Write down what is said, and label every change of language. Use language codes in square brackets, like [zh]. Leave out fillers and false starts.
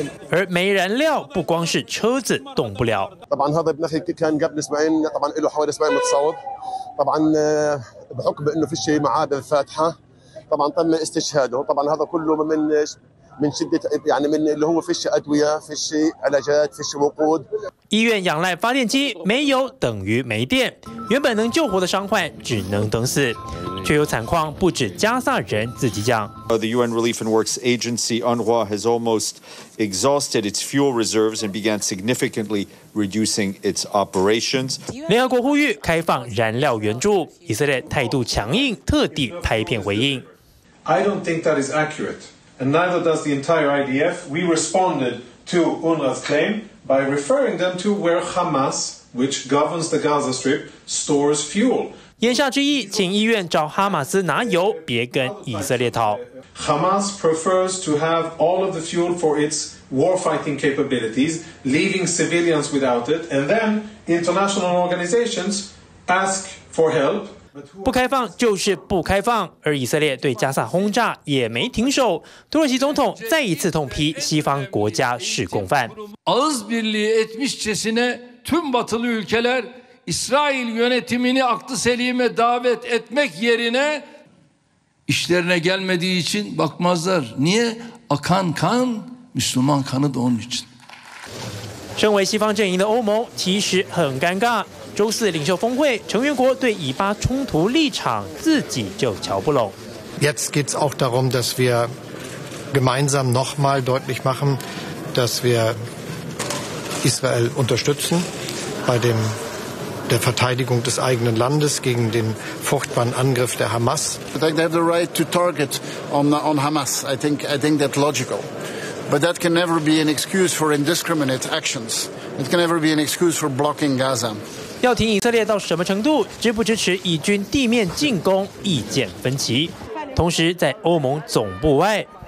[zh] 而没燃料，不光是车子动不了。 [ar] طبعا له حوالي 70 متصاوب طبعا بحكم انه في شيء معاه بالفاتحه طبعا تم استشهاده طبعا هذا كله من شده يعني من اللي هو في شيء ادويه في شيء علاجات في شيء وقود [zh] 医院仰赖发电机，没有等于没电，原本能救活的伤患只能等死，却有惨况不止加萨人自己讲。 [en] The UN Relief and Works Agency UNRWA has almost exhausted its fuel reserves and began significantly reducing its operations. [zh] 联合国呼吁开放燃料援助，以色列态度强硬，特地拍片回应。 [en] I don't think that is accurate, and neither does the entire IDF. We responded to UNRWA's claim. By referring them to where Hamas, which governs the Gaza Strip, stores fuel. [zh] 言下之意，请医院找哈马斯拿油，别跟以色列讨。 [en] Hamas prefers to have all of the fuel for its war-fighting capabilities, leaving civilians without it, and then international organizations ask for help. [zh] 不开放就是不开放，而以色列对加萨轰炸也没停手。土耳其总统再一次痛批西方国家是共犯。 [tr] Ağız birliği etmişçesine tüm batılı ülkeler İsrail yönetimini aklı selime davet etmek yerine işlerine gelmediği için bakmazlar. Niye? Akan kan Müslüman kanı da onun için. [zh] 身为西方阵营的欧盟其实很尴尬。周四领袖峰会，成员国对以巴冲突立场自己就瞧不拢。 [de] Jetzt geht's auch darum, dass wir gemeinsam nochmal deutlich machen, dass wir Israel unterstützen bei der Verteidigung des eigenen Landes gegen den furchtbaren Angriff der Hamas. [en] I think they have the right to target on Hamas. I think that's logical. But that can never be an excuse for indiscriminate actions. It can never be an excuse for blocking Gaza. [zh] 要听以色列到什么程度，支不支持以军地面进攻，意见分歧。同时，在欧盟总部外。